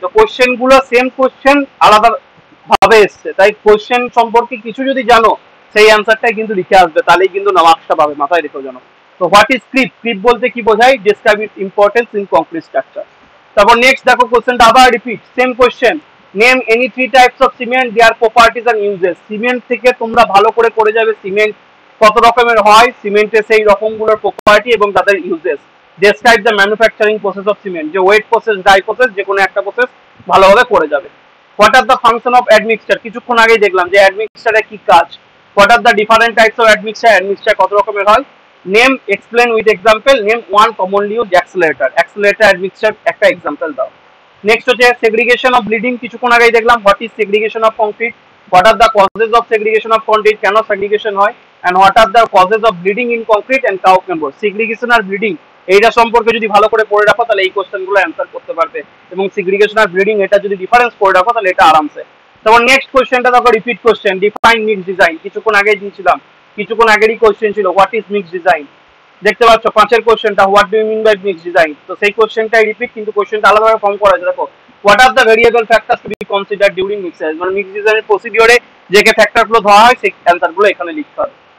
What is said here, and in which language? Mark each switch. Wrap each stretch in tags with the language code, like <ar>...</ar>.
<bn>তো কোশ্চেনগুলো same question আলাদা ভাবে এসছে, তাই কোশ্চেন সম্পর্কে কিছু যদি জানো সেই অ্যান্সারটাই কিন্তু লিখে আসবে, তাহলেই কিন্তু নামাক্সটা পাবে, মাথায় রেখো জানো. তো</bn> <en>what is creep,</en> <bn>ক্রিপ বলতে কি বোঝায়,</bn> <en>Describe it importance in concrete structure.</en> <bn>তারপর নেক্সট দেখো কোশ্চেনটা আবার repeat, same question,</bn> <en>name any three types of cement, their properties and uses.</en> <bn>Cement থেকে তোমরা ভালো করে করে যাবে cement কত রকমের হয়, সিমেন্টের সেই রকমগুলোর প্রপার্টি এবং তাদের uses.</bn> <en>Describe the manufacturing process of cement.</en> <bn>যে ওয়েট প্রসেস, ড্রাই প্রসেস, যে কোনো একটা প্রসেস ভালোভাবে করে যাবে।</bn> <en>What are the function of admixture?</en> <bn>কিছুক্ষণ আগেই দেখলাম যে admixture কি কাজ।</bn> <en>What are the different types of admixture?</en> <bn>Admixture কত রকমের হয়?</bn> <en>Name, explain with example. Name one commonly used accelerator.</en> <bn>Accelerator admixture একটা example দাও। Next হচ্ছে segregation of bleeding, কিছুক্ষণ আগেই দেখলাম।</bn> <en>What is segregation of concrete? What are the causes of segregation of concrete?</en> <bn>কেন segregation হয়?</bn> <en>And what are the causes of bleeding in concrete and cow camber?</en> <bn>Segregation or bleeding, এইটা সম্পর্কে যদি ভালো করে পড়ে রাখো তাহলে এই কোশ্চেনগুলো অ্যান্সার করতে পারবে, এবং সিগ্রিগেশন আর ব্লিডিং এটা যদি ডিফারেন্স করে রাখো তাহলে এটা আরামসে। তারপর নেক্সট কোশ্চেনটা দেখো, repeat question, define mix design, কিছুক্ষণ আগে দিয়েছিলাম, কিছুক্ষণ আগেরই কোশ্চেন ছিল,</bn> <en>What is mix design.</en> <bn>দেখতে পাচ্ছ পাঁচের কোশ্চেনটা,</bn> <en>what do you mean by mix design,</en> <bn>তো সেই কোশ্চেনটাই রিপিট, কিন্তু কোশ্চেনটা আলাদাভাবে ফর্ম করা আছে। দেখো,</bn> <en>what are the variable factors to be consider during mixer,</en> <bn>মানে মিক্স ডিজাইনের প্রসিডিওরে যে কে ফ্যাক্টরগুলো ধরা হয় সেই অ্যান্সারগুলো এখানে লিখতে হবে।</bn>